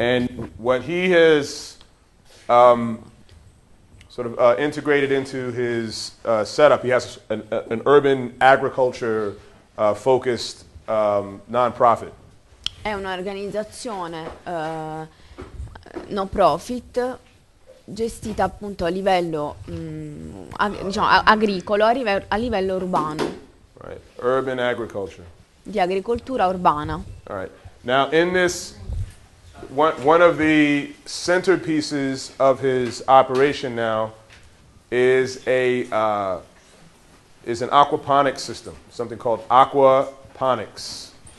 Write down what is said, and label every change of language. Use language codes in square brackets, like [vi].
[en] And what he has integrated into his setup, he has an urban agriculture focused non-profit. [it] È un'organizzazione no-profit gestita appunto a livello agricolo a livello urbano. [en] Right. Urban agriculture. [it] Di agricoltura urbana. [en] All right. Now in this one of the centerpieces of his operation now is an aquaponic system, something called aquaponics.